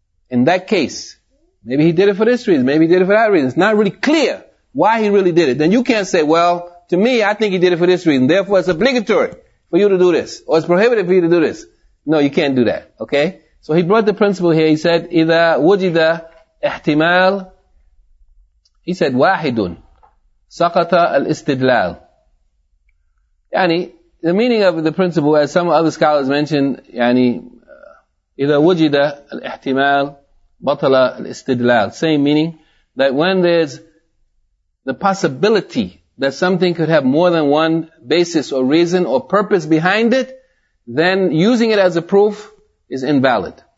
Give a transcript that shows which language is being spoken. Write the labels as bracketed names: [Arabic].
[English] In that case, maybe he did it for this reason, maybe he did it for that reason. It's not really clear why he really did it. Then you can't say, well, to me, I think he did it for this reason. Therefore, it's obligatory for you to do this. Or it's prohibited for you to do this. No, you can't do that. Okay? So he brought the principle here. He said, [Arabic] إِذَا وُجِدَ إِحْتِمَال. [English] He said, [Arabic] وَاحِدٌ سَقَطَ الْإِسْتِدْلَالِ. [English] يعني, the meaning of the principle, as some other scholars mentioned, يعني, [Arabic] إِذَا وُجِدَ الْإِحْتِمَالِ بَطَلَ الْإِسْتِدْلَالِ. [English] Same meaning, that when there's the possibility that something could have more than one basis or reason or purpose behind it, then using it as a proof is invalid.